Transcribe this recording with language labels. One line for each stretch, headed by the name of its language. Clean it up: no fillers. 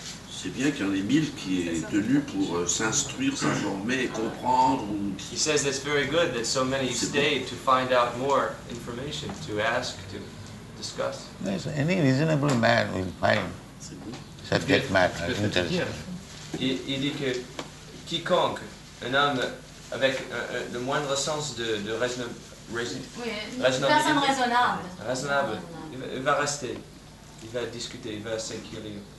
French: C'est bien qu'il y en ait 1000 qui aient tenu pour s'instruire, s'informer, comprendre.
English: He says it's very good that so many stayed to find out more information, to ask, to discuss. Yes, any reasonable man will find subject matter interesting.
French: Il dit que quiconque, un homme avec le moindre sens de raisonnable, il va rester, il va discuter, il va s'inquiéter.